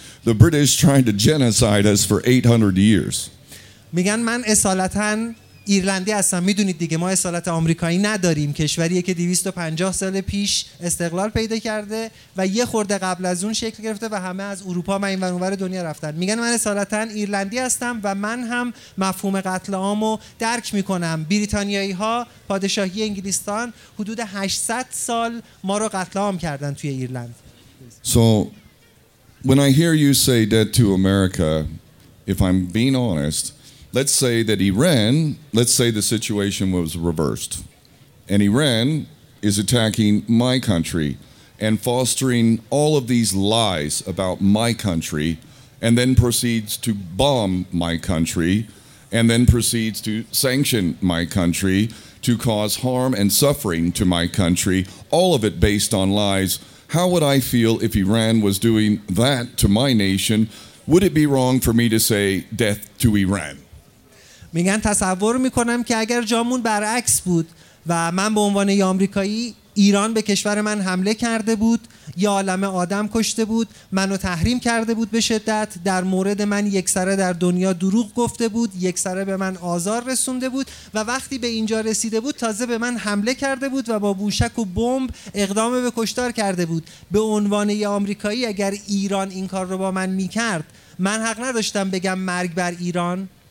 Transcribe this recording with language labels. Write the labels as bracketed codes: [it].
[en] The British tried to genocide us for 800 years. [fa] میگن من اصالتاً ایرلندی هستم. میدونید دیگه ما اصالت آمریکایی نداریم. کشوری که 250 سال پیش استقلال پیدا کرده و یه خورده قبل از اون شکل گرفته و همه از اروپا و اینور اونور دنیا رفتن. میگن من اصالتاً ایرلندی هستم و من هم مفهوم قتل عامو درک میکنم. بریتانیایی ها پادشاهی انگلستان حدود 800 سال ما رو قتل عام کردن توی ایرلند. [en] So when I hear you say that to America, if I'm being honest, let's say that Iran, let's say the situation was reversed, and Iran is attacking my country and fostering all of these lies about my country, and then proceeds to bomb my country, and then proceeds to sanction my country, to cause harm and suffering to my country, all of it based on lies. How would I feel if Iran was doing that to my nation? Would it be wrong for me to say death to Iran? [fa] میگن تصور میکنم که اگر جامون برعکس بود و من به عنوان یه آمریکایی ایران به کشور من حمله کرده بود، یه عالمه آدم کشته بود، منو تحریم کرده بود به شدت، در مورد من یکسره در دنیا دروغ گفته بود، یکسره به من آزار رسونده بود، و وقتی به اینجا رسیده بود تازه به من حمله کرده بود و با موشک و بمب اقدام به کشتار کرده بود، به عنوان یه آمریکایی اگر ایران این کار رو با من میکرد، من حق نداشتم بگم مرگ بر ایران.